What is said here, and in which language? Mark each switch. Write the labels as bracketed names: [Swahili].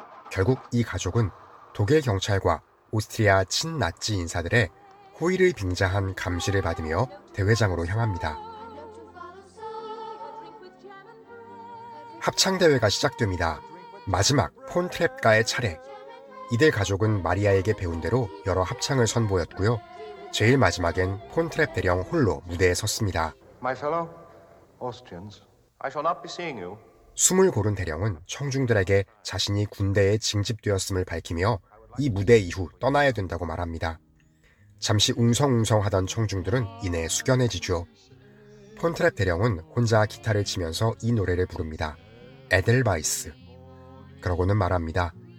[Korean] 결국 이 가족은 독일 경찰과 오스트리아 친나치 인사들의 호의를 빙자한 감시를 받으며 대회장으로 향합니다. 합창대회가 시작됩니다. 마지막 폰트랩가의 차례. 이들 가족은 마리아에게 배운 대로 여러 합창을 선보였고요. 제일 마지막엔 폰트랩 대령 홀로 무대에 섰습니다. [English] My fellow Austrians, I shall not be seeing you. [Korean] 숨을 고른 대령은 청중들에게 자신이 군대에 징집되었음을 밝히며 이 무대 이후 떠나야 된다고 말합니다. 잠시 웅성웅성하던 청중들은 이내 숙연해지죠. 폰트랩 대령은 혼자 기타를 치면서 이 노래를 부릅니다. 에델바이스. 그러고는 말합니다.